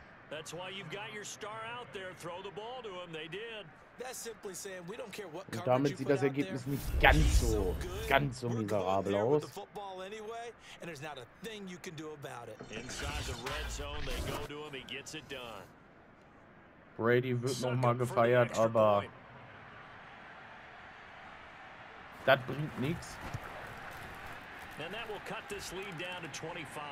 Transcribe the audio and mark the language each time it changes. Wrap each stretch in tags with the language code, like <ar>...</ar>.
<en>That's why you've got your star out there. Throw the ball to him. They did. That's simply saying we don't care what coverage.</en> <de>Damit sieht das Ergebnis nicht ganz so miserabel aus.</de> <en>And there's not a thing you can do about it. Inside the red zone, they go to him. He gets it done.</en> <de>Brady wird noch mal gefeiert, aber das bringt nichts.</de> <en>And that will cut this lead down to 25.</en>